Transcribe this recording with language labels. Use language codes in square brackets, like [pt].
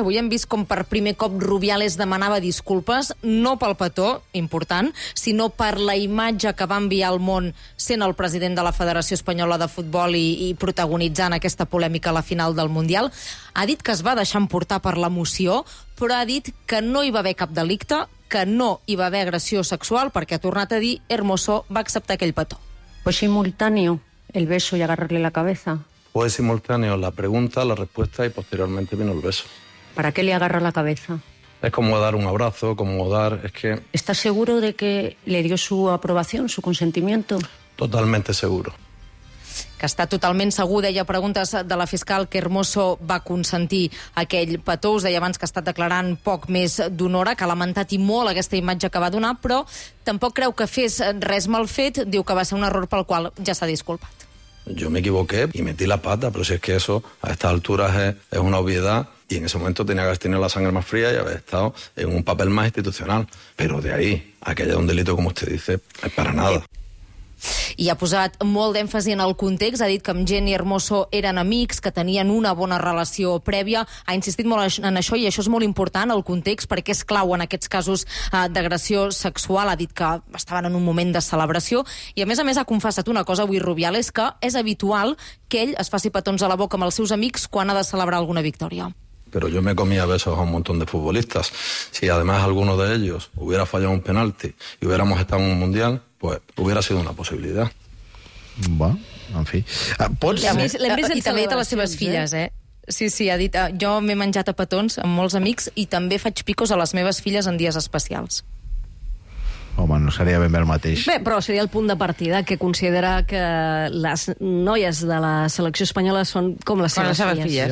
[ca] Avui hem vist com per primer cop Rubiales demanava disculpes, no pel petó, important, sinó per la imatge que va enviar al món sent el president de la Federació Espanyola de Futbol i protagonitzant aquesta polèmica a la final del Mundial. Ha dit que es va deixar emportar per l'emoció, però ha dit que no hi va haver cap delicte, que no hi va haver agressió sexual, perquè ha tornat a dir Hermoso va acceptar aquell petó. [es] Pues simultáneo, el beso y agarrarle la cabeza. Fue simultáneo la pregunta, la respuesta y posteriormente vino el beso. ¿Para qué le agarra la cabeza? Es como dar un abrazo, como dar... Es que... ¿Estás seguro de que le dio su aprobación, su consentimiento? Totalmente seguro. [ca] Que està totalment segur, deia preguntes de la fiscal, que Hermoso va consentir aquell petó. Us deia abans que ha estat declarant poc més d'una hora, que ha lamentat i molt aquesta imatge que va donar, però tampoc creu que fes res mal fet, diu que va ser un error pel qual ja s'ha disculpat. [es] Yo me equivoqué y metí la pata, pero si es que eso a estas alturas es una obviedad y en ese momento tenía que haber tenido la sangre más fría y haber estado en un papel más institucional. Pero de ahí a que haya un delito, como usted dice, es para nada. [ca] I ha posat molt d'èmfasi en el context, ha dit que amb Jenny Hermoso eren amics, que tenien una bona relació prèvia, ha insistit molt en això i això és molt important, el context, perquè és clau en aquests casos d'agressió sexual, ha dit que estaven en un moment de celebració i a més ha confessat una cosa avui Rubiales, que és habitual que ell es faci petons a la boca amb els seus amics quan ha de celebrar alguna victòria. [es] Pero yo me comía besos a un montón de futbolistas. Si además alguno de ellos hubiera fallado un penalti y hubiéramos estado en un Mundial, pues hubiera sido una posibilidad. Bueno, en fi. [ca] L'hem vist i també ha dit a les seves filles, eh? Sí, ha dit, jo m'he menjat a petons amb molts amics i també faig picos a les meves filles en dies especials. Home, no seria ben bé el mateix. Bé, però seria el punt de partida, que considera que les noies de la selecció espanyola són com les seves filles.